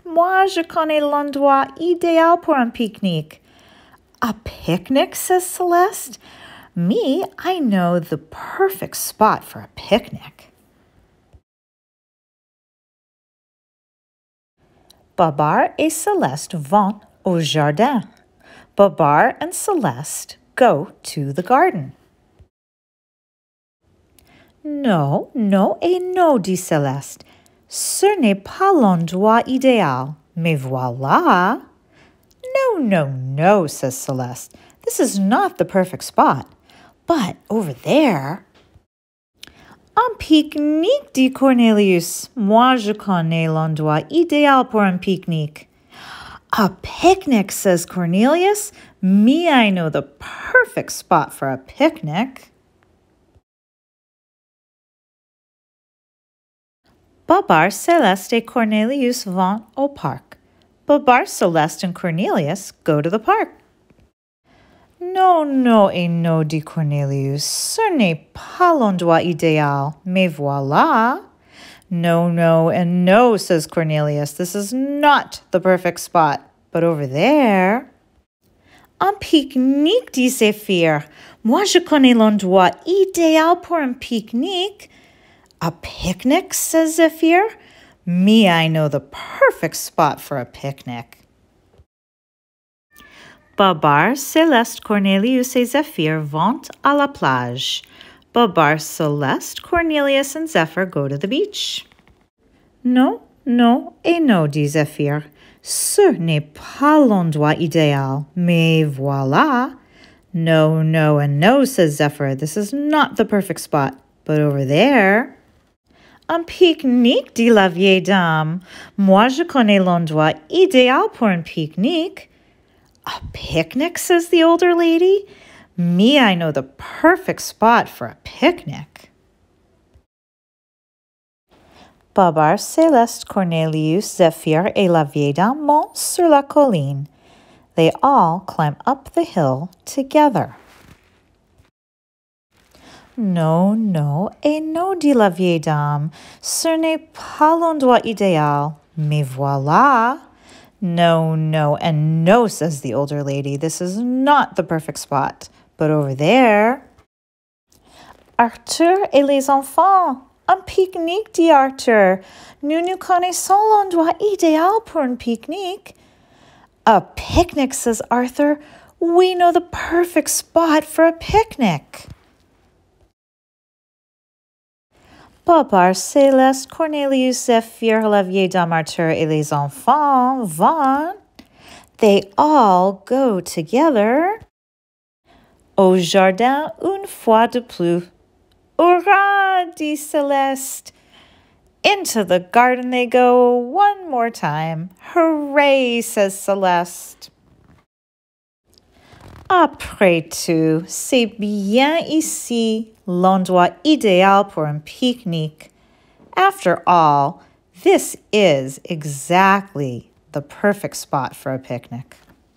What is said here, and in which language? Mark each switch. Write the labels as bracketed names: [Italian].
[French] Moi, je connais l'endroit idéal pour un pique-nique. [English] A picnic, says Celeste. Me, I know the perfect spot for a picnic. [French] Babar et Celeste vont au jardin. [English] Babar and Celeste go to the garden. [French] No, no et no, dit Celeste. Ce n'est pas l'endroit idéal, mais voilà. [English] No, no, no, says Celeste. This is not the perfect spot. But over there... [French] Un pique-nique, dit Cornelius. Moi, je connais l'endroit idéal pour un pique-nique. [English] A picnic, says Cornelius. Me, I know the perfect spot for a picnic. [French] Babar, Celeste, et Cornelius vont au parc. [English] Babar, Celeste, and Cornelius go to the park. [French] No, no, et no, dit Cornelius. Ce n'est pas l'endroit idéal, mais voilà. [English] No, no, and no, says Cornelius. This is not the perfect spot. But over there... [French] Un pique-nique, dit Zephyr. Moi, je connais l'endroit idéal pour un pique-nique. [English] A picnic, says Zephyr. Me, I know the perfect spot for a picnic. [French] Babar, Celeste, Cornelius et Zephyr vont à la plage. [English] Babar, Celeste, Cornelius and Zephyr go to the beach. [French] No, no, et no, dit Zephyr. Ce n'est pas l'endroit idéal, mais voilà. [English] No, no, and no, says Zephyr. This is not the perfect spot, but over there. [French] Un pique-nique, dit la vieille dame. Moi, je connais l'endroit idéal pour un pique-nique. [English] A picnic, says the older lady. Me, I know the perfect spot for a picnic. [French] Babar, Céleste, Cornelius, Zephyr et la vieille dame montent sur la colline. [English] They all climb up the hill together. [French] No, no, et no, dit la vieille dame. Ce n'est pas l'endroit idéal, mais voilà. [English] No, no, and no, says the older lady. This is not the perfect spot, but over there. [French] Arthur et les enfants. Un pique-nique, dit Arthur. Nous nous connaissons l'endroit idéal pour un pique-nique. [English] A picnic, says Arthur. We know the perfect spot for a picnic. [French] Babar, Céleste, Cornelius, Zephyr, la vieille dame, Arthur et les enfants vont. [English] They all go together. [French] Au jardin une fois de plus. Hurrah, dit Céleste. [English] Into the garden they go one more time. Hooray, says Céleste. [French] Après tout, c'est bien ici l'endroit idéal pour un pique-nique. [English] After all, this is exactly the perfect spot for a picnic.